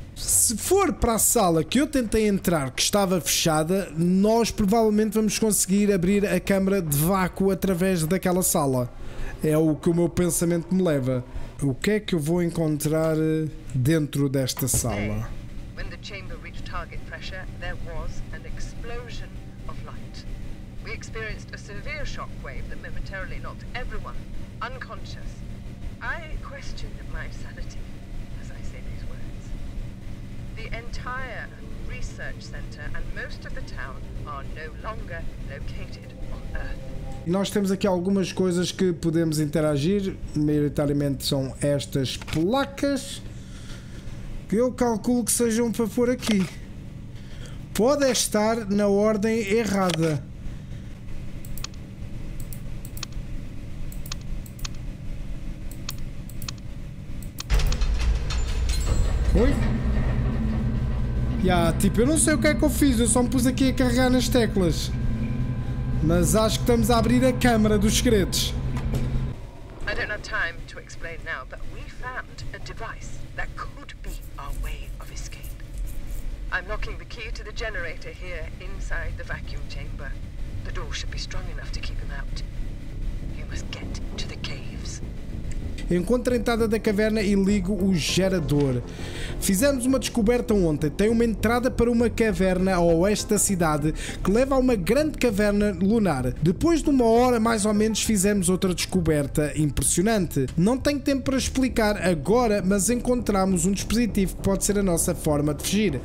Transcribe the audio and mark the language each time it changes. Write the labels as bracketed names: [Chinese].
[Portuguese] Se for para a sala que eu tentei entrar, que estava fechada, nós provavelmente vamos conseguir abrir a câmara de vácuo através daquela sala. É o que o meu pensamento me leva. O que é que eu vou encontrar dentro desta sala? [English] When the chamber reached target pressure, there was an explosion of light. We experienced a severe shockwave that momentarily knocked everyone unconscious. I question my sanity as I say these words. The entire research center and most of the town are no longer located on Earth. [Portuguese] Nós temos aqui algumas coisas que podemos interagir, maioritariamente são estas placas. Eu calculo que sejam para pôr aqui. Pode estar na ordem errada. Oi? Yeah, tipo, eu não sei o que é que eu fiz, eu só me pus aqui a carregar nas teclas. Mas acho que estamos a abrir a câmara dos segredos. [English] I don't have time to explain now, but we found a device that could be our way of escape. I'm locking the key to the generator here inside the vacuum chamber. The door should be strong enough to keep him out. You must get to the caves. [Portuguese] Encontro a entrada da caverna e ligo o gerador. Fizemos uma descoberta ontem. Tem uma entrada para uma caverna ao oeste da cidade que leva a uma grande caverna lunar. Depois de uma hora, mais ou menos, fizemos outra descoberta impressionante. Não tenho tempo para explicar agora, mas encontramos um dispositivo que pode ser a nossa forma de fugir.